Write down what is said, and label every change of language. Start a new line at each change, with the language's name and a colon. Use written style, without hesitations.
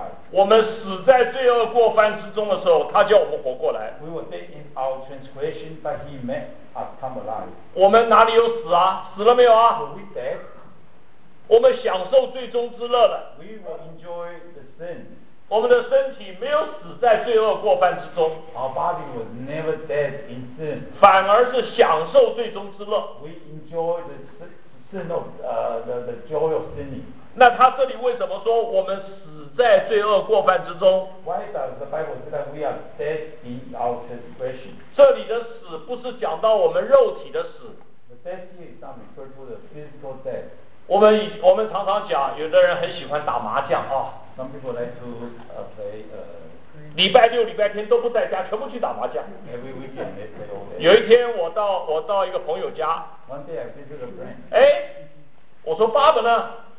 Chinese: 我们死在罪恶过犯之中的时候，他叫我们活过来。
English: We were dead in our transgression, but he made us come alive.
Chinese: 我们哪里有死啊？死了没有啊？
English: Were we dead?
Chinese: 我们享受最终之乐了。
English: We were enjoy the sin.
Chinese: 我们的身体没有死在罪恶过犯之中。
English: Our body was never dead in sin.
Chinese: 反而是享受最终之乐。
English: We enjoy the sin of the joy of sinning.
Chinese: 那他这里为什么说我们死在罪恶过犯之中？
English: Why does the Bible say that we are dead in our transgression?
Chinese: 这里的死不是讲到我们肉体的死。
English: The death here is not referred to the physical death.
Chinese: 我们常常讲，有的人很喜欢打麻将啊。
English: Some people like to play.
Chinese: 礼拜六、礼拜天都不在家，全部去打麻将。
English: Every weekend they play all day.
Chinese: 有一天我到一个朋友家。
English: One day I visited a friend.
Chinese: 哎，我说爸爸呢？